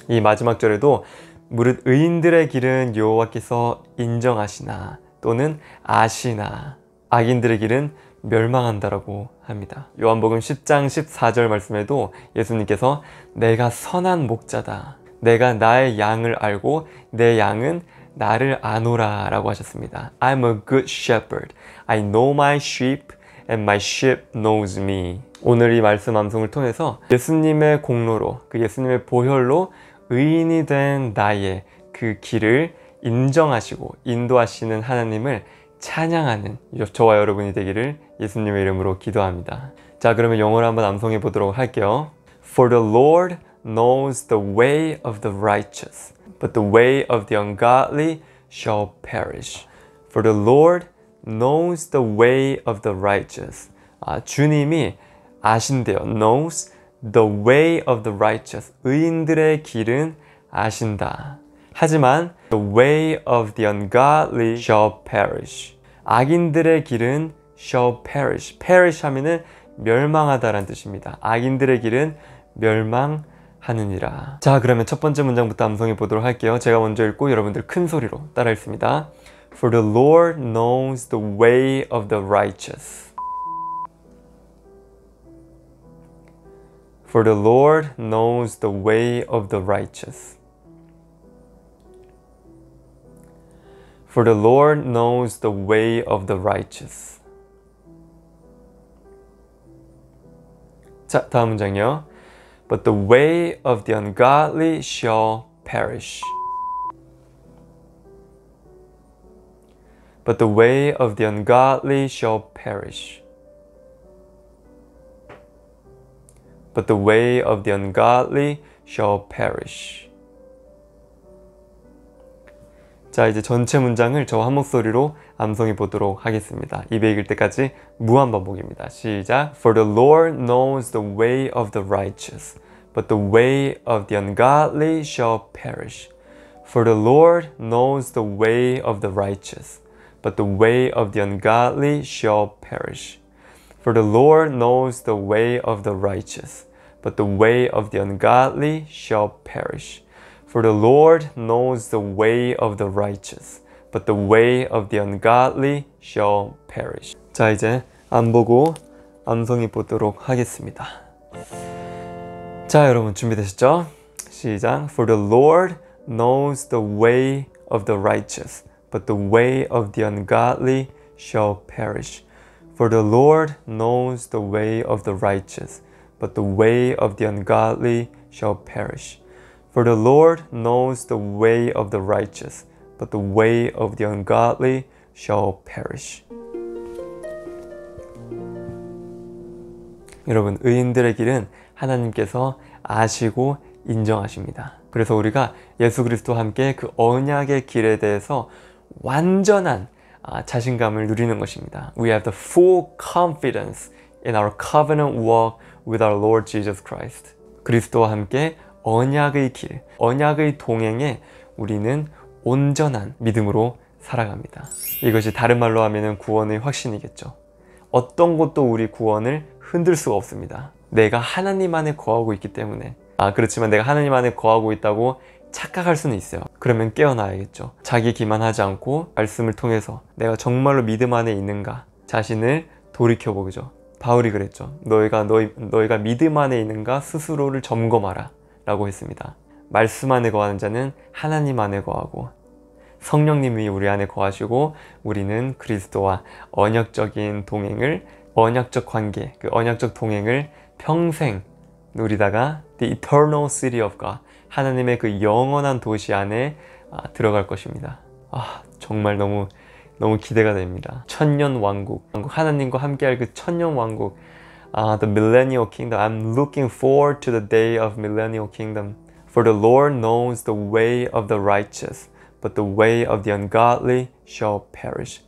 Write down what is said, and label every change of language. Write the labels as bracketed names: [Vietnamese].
[Korean] 이 마지막 절에도 무릇 의인들의 길은 여호와께서 인정하시나 또는 아시나 악인들의 길은 멸망한다라고 합니다. 요한복음 10장 14절 말씀에도 예수님께서 내가 선한 목자다. 내가 나의 양을 알고 내 양은 나를 아노라 라고 하셨습니다. [English] I'm a good shepherd. I know my sheep and my sheep knows me. [Korean] 오늘 이 말씀 암송을 통해서 예수님의 공로로 그 예수님의 보혈로 의인이 된 나의 그 길을 인정하시고 인도하시는 하나님을 찬양하는 저와 여러분이 되기를 예수님의 이름으로 기도합니다. 자 그러면 영어로 한번 암송해 보도록 할게요. [English] For the Lord knows the way of the righteous, but the way of the ungodly shall perish. For the Lord knows the way of the righteous. [Korean] 아, 주님이 아신대요. [English] Knows the way of the righteous. [Korean] 의인들의 길은 아신다. 하지만 [English] the way of the ungodly shall perish. [Korean] 악인들의 길은 [English] shall perish. [Korean] perish 하면은 멸망하다라는 뜻입니다. 악인들의 길은 멸망하느니라. 자, 그러면 첫 번째 문장부터 암송해 보도록 할게요. 제가 먼저 읽고 여러분들 큰 소리로 따라 읽습니다. [English] For the Lord knows the way of the righteous. For the Lord knows the way of the righteous. For the Lord knows the way of the righteous. [Korean] 자, 다음 문장이요. [English] But the way of the ungodly shall perish. But the way of the ungodly shall perish. But the way of the ungodly shall perish. [Korean] 자 이제 전체 문장을 저와 한 목소리로 암송해 보도록 하겠습니다. 입에 익을 때까지 무한 반복입니다. 시작! [English] For the Lord knows the way of the righteous, but the way of the ungodly shall perish. For the Lord knows the way of the righteous, but the way of the ungodly shall perish. For the Lord knows the way of the righteous, but the way of the ungodly shall perish. For the Lord knows the way of the righteous, but the way of the ungodly shall perish. [Korean] 자, 이제 안 보고 암송해 보도록 하겠습니다. 자, 여러분 준비되셨죠? 시작! [English] For the Lord knows the way of the righteous, but the way of the ungodly shall perish. For the Lord knows the way of the righteous, but the way of the ungodly shall perish. For the Lord knows the way of the righteous, but the way of the ungodly shall perish. [Korean] 여러분, 의인들의 길은 하나님께서 아시고 인정하십니다. 그래서 우리가 예수 그리스도와 함께 그 언약의 길에 대해서 완전한 자신감을 누리는 것입니다. [English] We have the full confidence in our covenant walk with our Lord Jesus Christ. [Korean] 그리스도와 함께 언약의 길, 언약의 동행에 우리는 온전한 믿음으로 살아갑니다. 이것이 다른 말로 하면 구원의 확신이겠죠. 어떤 것도 우리 구원을 흔들 수가 없습니다. 내가 하나님 안에 거하고 있기 때문에 그렇지만 내가 하나님 안에 거하고 있다고 착각할 수는 있어요. 그러면 깨어나야겠죠. 자기 기만하지 않고 말씀을 통해서 내가 정말로 믿음 안에 있는가 자신을 돌이켜보죠. 바울이 그랬죠. 너희가 믿음 안에 있는가 스스로를 점검하라 라고 했습니다. 말씀 안에 거하는 자는 하나님 안에 거하고 성령님이 우리 안에 거하시고 우리는 그리스도와 언약적인 동행을 언약적 관계, 그 언약적 동행을 평생 누리다가 The Eternal City of God, 하나님의 그 영원한 도시 안에 들어갈 것입니다. 아, 정말 너무 너무 기대가 됩니다. 천년 왕국, 하나님과 함께할 그 천년 왕국, The Millennial Kingdom. [English] I'm looking forward to the day of Millennial Kingdom. For the Lord knows the way of the righteous, but the way of the ungodly shall perish.